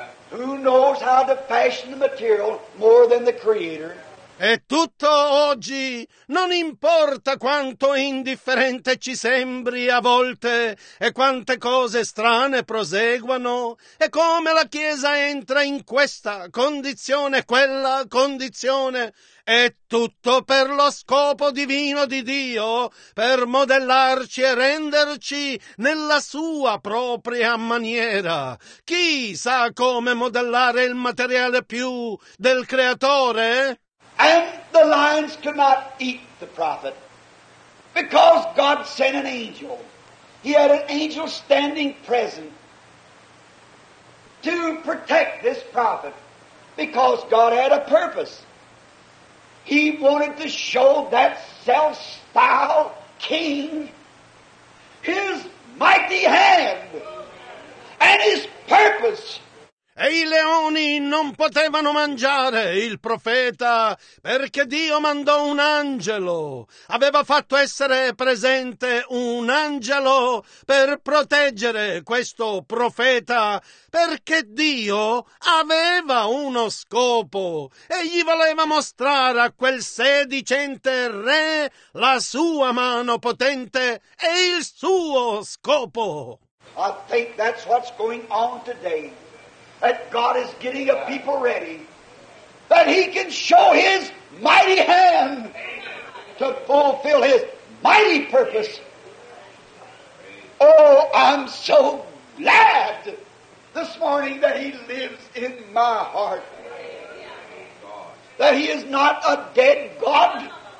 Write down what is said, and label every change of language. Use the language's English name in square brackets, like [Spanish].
[English] Who knows how to fashion the material more than the Creator? [Italian] E tutto oggi, non importa quanto indifferente ci sembri a volte, e quante cose strane proseguano, e come la Chiesa entra in questa condizione, quella condizione, è tutto per lo scopo divino di Dio, per modellarci e renderci nella sua propria maniera. Chi sa come modellare il materiale più del Creatore? [English] And the lions could not eat the prophet because God sent an angel. He had an angel standing present to protect this prophet because God had a purpose. He wanted to show that self-styled king His mighty hand and His purpose. [Italian] E i leoni non potevano mangiare il profeta perché Dio mandò un angelo. Aveva fatto essere presente un angelo per proteggere questo profeta perché Dio aveva uno scopo e gli voleva mostrare a quel sedicente re la sua mano potente e il suo scopo. [English] I think that's what's going on today. That God is getting a people ready, that He can show His mighty hand to fulfill His mighty purpose. Oh, I'm so glad this morning that He lives in my heart, that He is not a dead God.